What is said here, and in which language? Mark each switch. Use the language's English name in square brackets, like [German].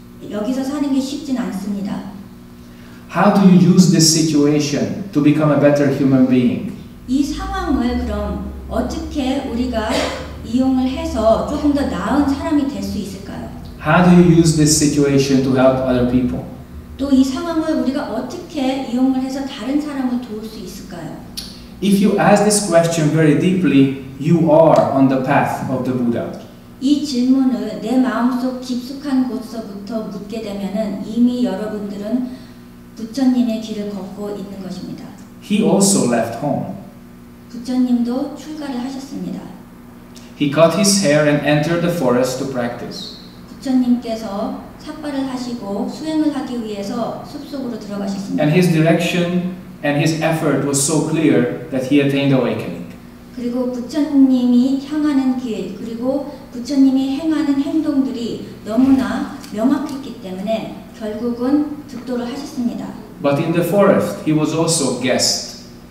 [Korean] 여기서 사는 게 쉽진 않습니다. [English] How do you use this situation to become a better human being? [Korean] 이 상황을 그럼 어떻게 우리가 이용을 해서 조금 더 나은 사람이 될 수 있을까요? [English] How do you use this situation to help other people? [Korean] 또 이 상황을 우리가 어떻게 이용을 해서 다른 사람을 도울 수 있을까요? [English] If you ask this question very deeply, you are on the path of the Buddha. [Korean] 이 질문을 내 마음속 깊숙한 곳서부터 묻게 되면은 이미 여러분들은 부처님의 길을 걷고 있는 것입니다. [English] He also left home. [Korean] 부처님도 출가를 하셨습니다. [English] He cut his hair and entered the forest to practice. [Korean] 부처님께서 삭발을 하시고 수행을 하기 위해서 숲속으로 들어가셨습니다. [English] And his direction and his effort was so clear that he attained awakening. [Korean] 그리고 부처님이 향하는 길, 그리고 부처님이 행하는 행동들이 너무나 명확했기 때문에 결국은 득도를 하셨습니다. [English] But in the forest, he was also guest.